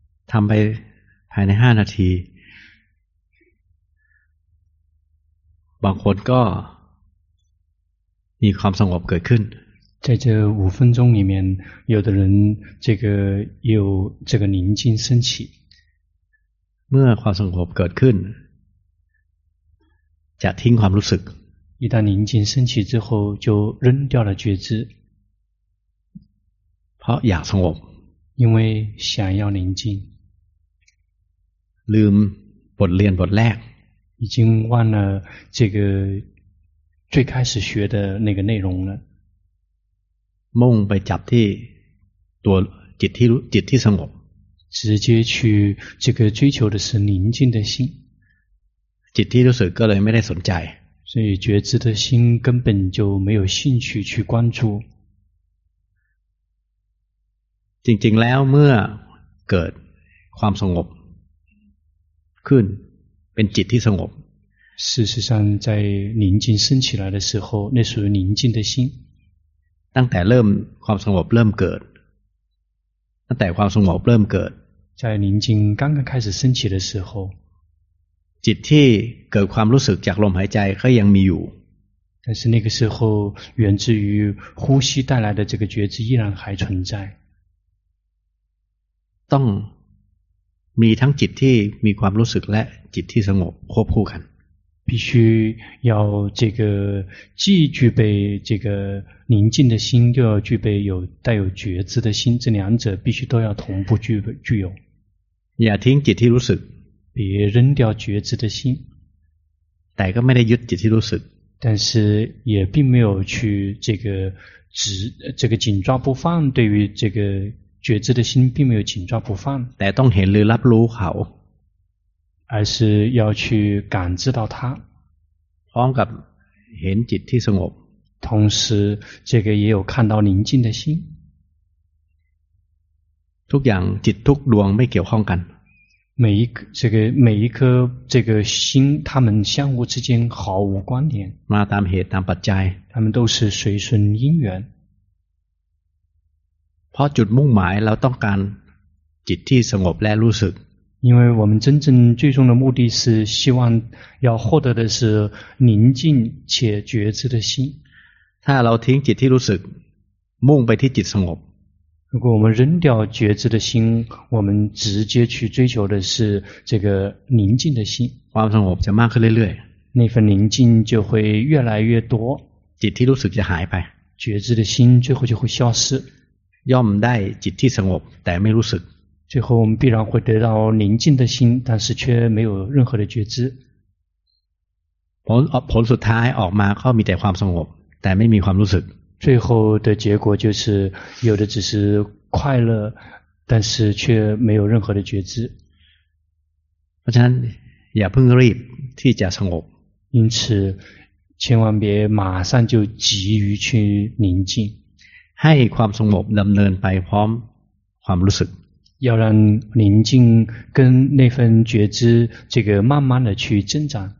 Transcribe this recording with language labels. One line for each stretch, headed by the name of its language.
Thai: ทำไปภายใน5นาทีบางคนก็มีความสงบเกิดขึ้น
Chinese: 在这五分钟里面有的人这个有这个宁静升起
Thai: เมื่อความสงบเกิดขึ้นจะทิ้งความรู้สึก
Chinese: 一旦宁静升起之后就扔掉了觉知
Thai: เพราะอยากสงบ
Chinese: 因为想要宁静
Thai: ลืมบทเรียนบทแรก
Chinese: 已经忘了这个最开始学的那个内容了
Thai: มุ่งไปจับที่ตัวจิตที่จิตที่สงบ
Chinese: 直接去这个追求的是宁静的心
Thai: จิตที่รู้สึกก็เลยไม่ได้สนใจ
Chinese: 所以觉知的心根本就没有兴趣去关注
Thai: จริงๆแล้วเมื่อเกิดความสงบขึ้นเป็นจิตที่สงบ
Chinese: 事实上在宁静升起来的时候那属于宁静的心
Thai: ตั้งแต่เริ่มความสงบเริ่มเกิดตั้งแต่ความสงบเริ่มเกิด
Chinese: 在宁静刚刚开始升起的时候
Thai: จิตที่เกิดความรู้สึกจากลมหายใจก็ยังมีอยู่
Chinese: 但是那个时候源自于呼吸带来的这个觉知依然还存在
Thai: ต้องมีทั้งจิตที่มีความรู้สึกและจิตที่สงบควบคู่กัน
Chinese: 必须要这个既具备这个宁静的心又要具备有带有觉知的心这两者必须都要同步具有
Thai: อย่าทิ้งจิตที่รู้สึก
Chinese: 别扔掉觉知的心
Thai: แต่ก็ไม่ได้ยึดจิตที่รู้สึก
Chinese: 但是也并没有去这个执这个紧抓不放对于这个觉知的心并没有紧抓不放
Thai: แต่ต้องเห็นหรือรับรู้เขา
Chinese: 而是要去感知到它
Thai: พร้อมกับเห็นจิตที่สงบ
Chinese: 同时这个也有看到宁静的心
Thai: ทุกอย่างจิตทุกดวงไม่เกี่ยวข้องกัน
Chinese: 每一颗这个心它们相互之间毫无关联
Thai: มาตามเหตุตามปัจจัย
Chinese: 它们都是随顺因缘
Thai: เพราะจุดมุ่งหมายเราต้องการจิตที่สงบและรู้สึก
Chinese: 因为我们真正最终的目的是希望要获得的是宁静且觉知的心
Thai: ถ้าเราทิ้งจิตที่รู้สึกมุ่งไปที่จิตสงบ
Chinese: 如果我们扔掉觉知的心我们直接去追求的是这个宁静的心
Thai: ความสงบจะมากขึ้นเรื่อย
Chinese: ๆ那份宁静就会越来越多
Thai: จิตที่รู้สึกจะหายไป
Chinese: 觉知的心最后就会消失
Thai: ย่อมได้จิตที่สงบแต่ไม่รู้สึก
Chinese: 最后我们必然会得到宁静的心但是却没有任何的觉知
Thai: ผลสุดท้ายออกมาก็มีแต่ความสงบแต่ไม่มีความรู้สึก
Chinese: 最后的结果就是有的只是快乐但是却没有任何的觉知
Thai: เพราะฉะนั้นอย่าเพิ่งรีบที่จะสงบ
Chinese: 因此千万别马上就急于去宁静
Thai: ให้ความสงบดำเนินไปพร้อมความรู้สึก
Chinese: 要让宁静跟那份觉知这个慢慢的去增长